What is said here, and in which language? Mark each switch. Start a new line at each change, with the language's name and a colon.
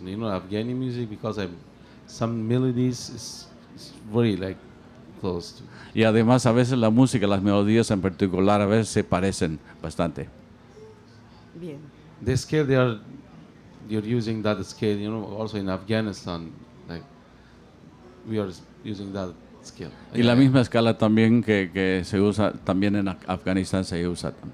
English: You know, Afghani music, because some melodies is very, like, close to.
Spanish: Y además, a veces la música, las melodías en particular, a veces se parecen bastante. Bien.
English: The scale, you're using that scale, you know, also in Afghanistan, like, we are using that scale.
Spanish: Y la misma escala también que se usa, también en Afganistán se usa.